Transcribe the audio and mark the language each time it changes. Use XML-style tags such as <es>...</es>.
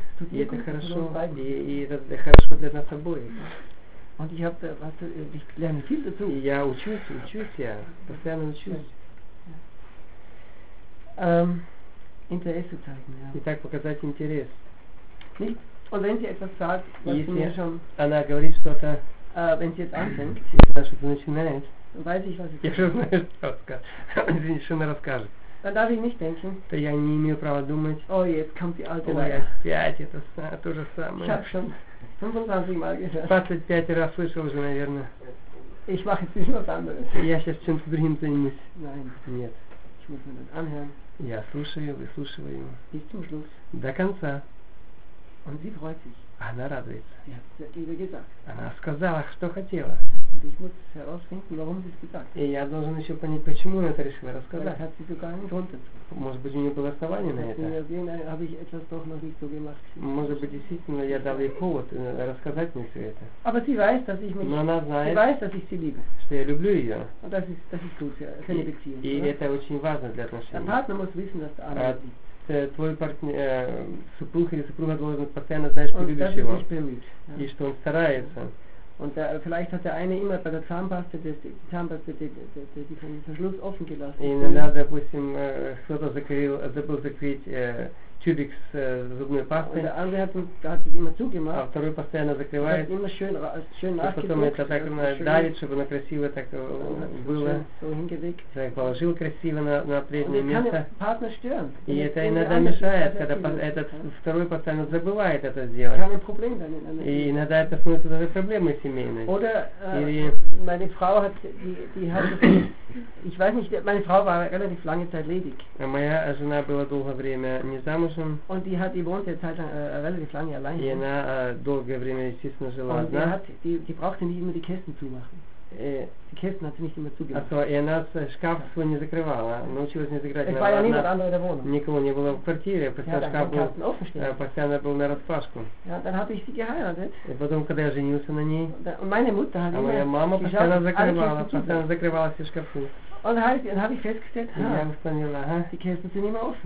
<ru>И это хорошо, и это хорошо для нас обоих.</ru> <de>Und ich habe was ich lerne viel dazu.</de> <ru>Ja, учусь, ja. Постоянно учусь. Интересы</ru> <de>zeigen, ja.</de> <ru>Итак, показать интерес.</ru> <de>Nicht, und wenn sie etwas sagt, was mir schon,</de> <ru>она говорит что-то,</ru> <de>wenn sie jetzt anfängt,</de> <ru>если она что-то начинает,</ru> <de>weiß ich, was</de> <ru>я знаю, что скажет. Извини, что она расскажет.</ru> <de>Dann darf ich nicht denken.</de> <ru>То я не имею права думать.</ru> <de>Oh, jetzt kommt die alte Leier.</de> <ru>Ой, опять это то же самое.</ru> <de>Ich hab schon</de> <ru>25 раз слышал уже, наверное.</ru> <de>Ich mache jetzt nicht was anderes.</de> <ru>Я сейчас чем-то другим занимаюсь.</ru> <de>Nein.</de> <ru>Нет.</ru> <de>Ich muss mir das anhören.</de> <ru>Я слушаю, выслушиваю.</ru> <de>Bis zum Schluss.</de> <ru>До конца.</ru> <de>Und sie freut sich.</de> <ru>Она радуется.</ru> <de>Sie hat wieder gesagt.</de> <ru>Она сказала, что хотела.</ru> <de>Und ich muss herausfinden, warum sie es gesagt.</de> <ru>И я должен еще понять, почему она это решила рассказать.</ru> <de>Weil hat sie sogar einen Grund dazu.</de> <ru>Может быть, у нее было основание на это.</ru> <de>Habe ich etwas doch noch nicht so gemacht.</de> <ru>Может быть, действительно, я дал ей повод рассказать мне все это.</ru> <de>Aber sie weiß, dass ich mich.</de> <ru>Но она знает,</ru> <de>sie weiß, dass ich sie liebe.</de> <ru>Что я люблю ее.</ru> <de>Und das ist gut für eine Beziehung.</de> <ru>И это очень важно для отношений.</ru> <de>Der Partner muss wissen, dass der andere.</de> <ru>Твой партнер, супруг или супруга должен постоянно знать, что любишь его. И что он старается.</ru> <de>Und der, vielleicht hat der eine immer bei der Zahnpaste den Verschluss offen gelassen.</de> <ru>И иногда, допустим, кто-то забыл закрыть тюбик с зубной пастой.</ru> <de>Und der andere hat ihn immer zugemacht.</de> <ru>А второй постоянно закрывает.</ru> <de>Und immer schön nachgedruckt.</de> <ru>Потом это так давит, чтобы она красиво так было.</ru> <de>So hingelegt.</de> <ru>Так положил красиво на прежнее место.</ru> <de>Und kann der Partner stören.</de> <ru>И это иногда мешает, когда этот второй постоянно забывает это сделать.</ru> <de>Keine Problem dann in einer.</de> <ru>И иногда это становится даже проблемой. Семейной.</ru> <de>Oder meine Frau hat die hat ich weiß nicht, meine Frau war relativ lange Zeit ledig.</de> <ru>Моя жена была долгое время не замужем.</ru> <de>Und die hat die wohnte jetzt halt relativ lange allein.</de> <ru>И она долгое время естественно жила одна.</ru> <de>Und die hat die brauchte nicht immer die Kästen zumachen. Die Kästen hat sie nicht immer zugemacht.</de> <ru>Also, и она шкаф свой не закрывала, научилась не закрывать.</ru> <de>Es war ja niemand anderer in der Wohnung.</de> <ru>Никого не было в квартире, постоянно шкаф был, постоянно был на распашку.</ru> <de>Ja, dann habe ich sie geheiratet.</de> <ru>И потом, когда я женился на ней,</ru> <de>und meine Mutter hat</de> <ru>а моя мама постоянно закрывала все шкафы.</ru> <de>Und dann habe ich festgestellt, die Kästen sind immer offen.</de>